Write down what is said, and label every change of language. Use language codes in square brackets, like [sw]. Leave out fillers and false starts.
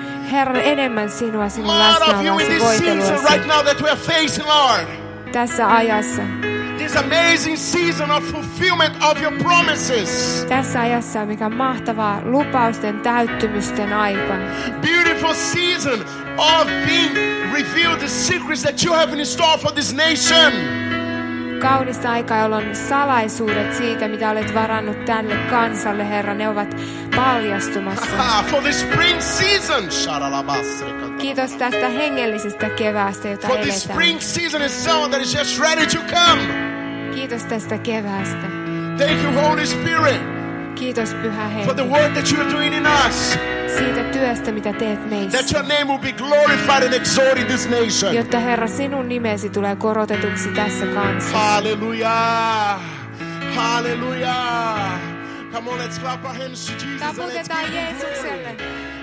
[fi] Herra, enemmän sinua sinun läsnäolollasi, voiteluasi. [en] Right now that we are facing, Lord. [fi] Tässä ajassa. [en] This amazing season of fulfillment of your promises. [fi] Tässä ajassa, mikä mahtavaa lupausten täyttymysten aika. [en] Beautiful season of being revealed the secrets that you have in store for this nation. [fi] Kaunista aikaa, jolloin salaisuudet siitä, mitä olet varannut tälle kansalle, Herra, ne ovat paljastumassa. [en] For the spring season. [fi] Kiitos tästä hengellisestä keväästä, jota eletään. [en] For the spring season is someone that is just ready to come. [fi] Kiitos tästä keväästä. [en] Thank you, Holy Spirit. [fi] Kiitos, Pyhä Henki. [en] For the work that you're doing in us. [fi] Siitä työstä, mitä teet meissä. [en] That your name will be glorified and exalted in this nation. [fi] Jotta, Herra, sinun nimesi tulee korotetuksi tässä kansassa. [en] Hallelujah. Hallelujah. Come on, let's clap our hands to Jesus. [fi] Taputetaan Jeesukselle.